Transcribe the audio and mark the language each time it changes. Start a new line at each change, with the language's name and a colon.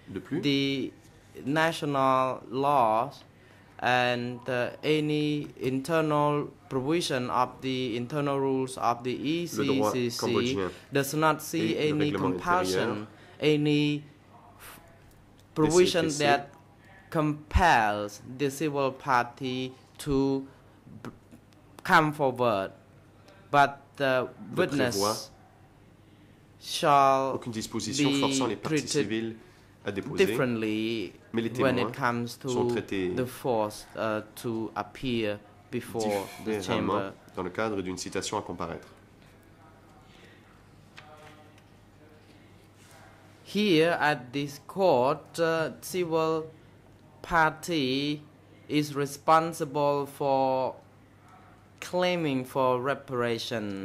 English: the national laws and any internal provision of the internal rules of the ECCC does not see any compulsion, any provision that compels the civil party to come forward. But the witness shall
French: aucune disposition forçant les parties civiles à déposer,
English: differently when it comes to the force to appear before the chamber
French: dans le cadre d'une citation à comparaître.
English: Here at this court, civil party is responsible for claiming for reparation.